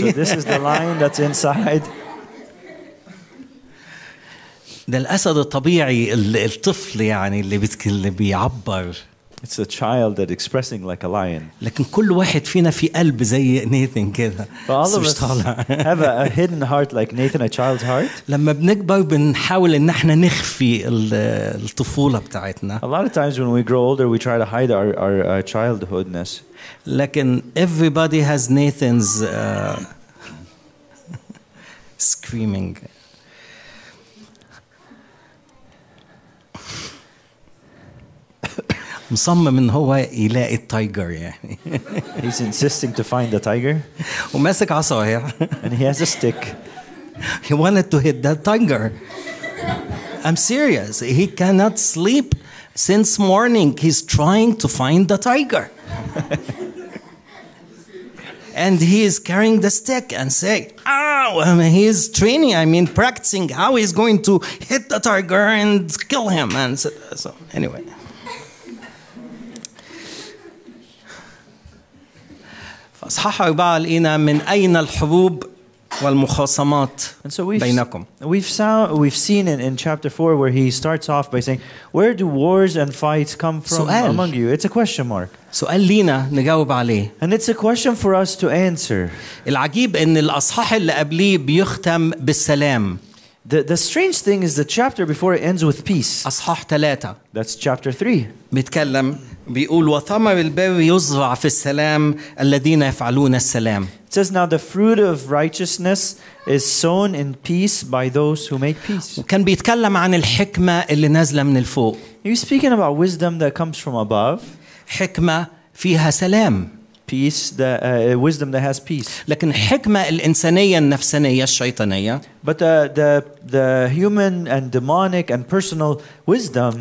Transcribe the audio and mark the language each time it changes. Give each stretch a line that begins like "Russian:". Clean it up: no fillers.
English: So this is the lion that's inside.
Arabic: ده الأسد الطبيعي الطفل يعني اللي بيعبر.
English: It's a child that expressing like a lion.
Arabic: لكن كل واحد فينا في قلب زي نيثن كده.
English: But all of us have a hidden heart like Nathan, a child's heart.
Arabic: لما بنكبر بنحاول إن احنا نخفي الطفولة بتاعتنا.
English: A lot of times when we grow older, we try to hide our childhoodness. لكن everybody has Nathan's screaming.
Arabic: مصمم إن هو يلاقي التايجر يعني.
English: He's insisting to find the tiger.
Arabic: وماسك عصا هي.
English: And he has a stick. He wanted to hit that tiger. I'm serious. He cannot sleep since morning. He's trying to find the tiger. And he is carrying the stick and say, "Ow!" Oh, he's training. I mean, practicing how he's going to hit the tiger and kill him. And so anyway.
Arabic: صحح أربعة لقينا من أين الحبوب والمخاصمات
English: and so
Arabic: بينكم.
English: We've seen in chapter 4 where he starts off by saying, where do wars and fights come from
Arabic: سؤال.
English: Among you? It's a question mark.
Arabic: سؤال لينا نجاوب عليه.
English: And it's a question for us to answer.
Arabic: العجيب ان الاصحاح اللي قبليه بيختم بالسلام.
English: The strange thing is the chapter before it ends with peace.
Arabic: أصحاح ثلاثة.
English: That's chapter 3.
Arabic: بيتكلم بيقول وثمر البر يزرع في السلام الذين يفعلون السلام.
English: It says now the fruit of righteousness is sown in peace by those who make peace.
Arabic: وكان بيتكلم عن الحكمة اللي نازلة من الفوق.
English: He's speaking about wisdom that comes from above.
Arabic: حكمة فيها سلام.
English: Peace, wisdom that has peace.
Arabic: لكن حكمة الإنسانية النفسانية الشيطانية.
English: But the human and demonic and personal wisdom.